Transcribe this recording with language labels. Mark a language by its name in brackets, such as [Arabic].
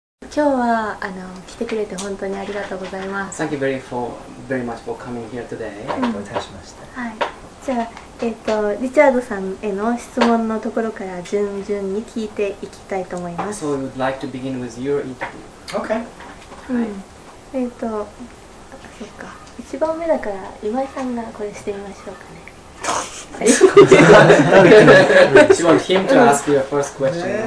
[Japanese] 今日は来てくれて本当にありがとうございます。 [English] Thank you very much for coming here today. [Japanese] お待たせしました。はい。じゃあ、リチャードさんへの質問のところから順々に聞いていきたいと思います。 [English] So we would like to begin with your interview. Okay. [Japanese] はい。そっか。一番目だから今井さんがこれしてみましょうかね。 [English] She wants him to ask your first question.